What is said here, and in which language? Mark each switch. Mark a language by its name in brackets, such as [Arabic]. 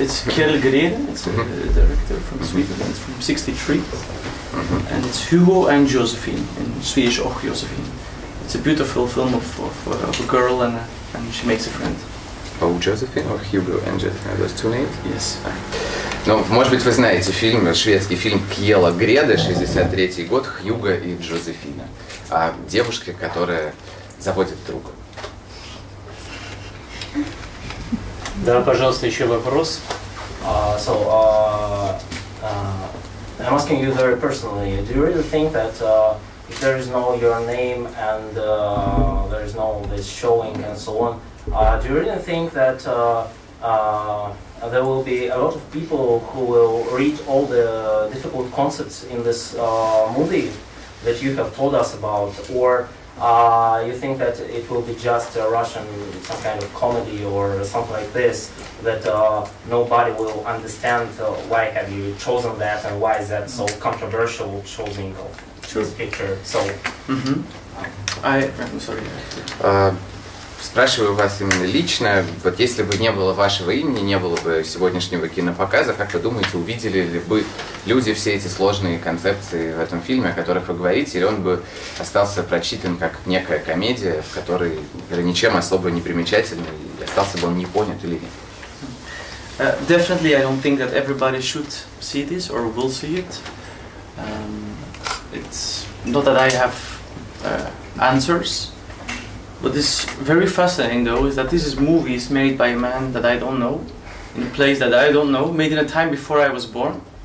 [English] It's Kjell Grede. It's a director from Sweden. It's from '63. Mm-hmm. And it's Hugo and Josephine in Swedish Och Josephine. It's a beautiful film of a girl and she makes a friend. Oh, Josephine or Hugo and Josephine? Are those two names? Yes. [Russian] Ну, может быть, вы знаете фильм, шведский фильм Кьела Греда, 63-й год, Хьюго и Джозефина. О девушке, которая заводит друг. Да, пожалуйста, еще вопрос. [English] I'm asking you very personally, do you really think that if there is no your name and there is no this showing and so on, do you really think that there will be a lot of people who will read all the difficult concepts in this movie that you have told us about, or you think that it will be just a Russian, some kind of comedy or something like this, that nobody will understand why have you chosen that and why is that so controversial choosing of this picture? So, I'm sorry. [Russian] Спрашиваю вас именно лично, вот если бы не было вашего имени, не было бы сегодняшнего кинопоказа, как вы думаете, увидели ли бы люди все эти сложные концепции в этом фильме, о которых вы говорите, или он бы остался прочитан как некая комедия, в которой, наверное, ничем особо не примечательный, и остался бы он не понят или нет? [English] Definitely, I don't think that everybody should see this or will see it. It's not that I have answers. What is very fascinating, though, is that this is movies made by a man that I don't know, in a place that I don't know, made in a time before I was born.